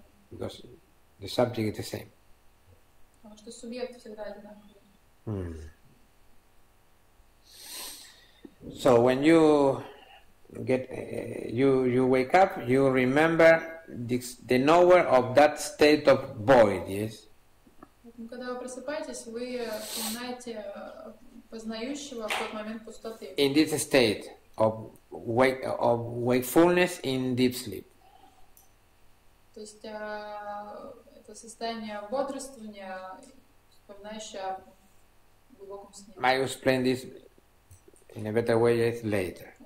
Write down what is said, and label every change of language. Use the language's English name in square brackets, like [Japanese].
[English] Because the subject is the same. So when you get you wake up, you remember the knower of that state of void, yes? [Russian] Когда вы просыпаетесь, вы знаете познающего в тот момент пустоты. [English] In this state of wakefulness in deep sleep. [Russian] То есть это состояние бодрствования, познающего в глубоком сне. [English] May I explain this in a better way later?